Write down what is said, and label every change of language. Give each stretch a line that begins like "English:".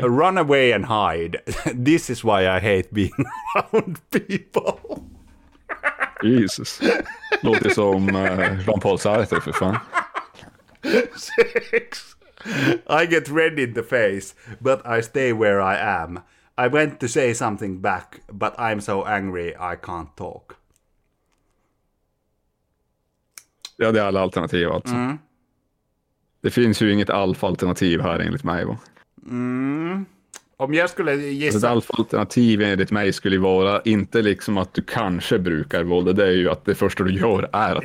English: Run away and hide. This is why I hate being around people. Jesus.
Swedish: Låter som Jean-Paul Sartre, för fan. 6.
English: I get red in the face, but I stay where I am. I went to say something back, but I'm so angry I can't talk.
Swedish: Ja, det är alla alternativ alltså. Mm. Det finns ju inget alfa-alternativ här enligt mig, va? Om jag skulle gissa... Ett alfa-alternativ enligt mig skulle vara inte liksom att du kanske brukar våld. Det är ju att det första du gör är att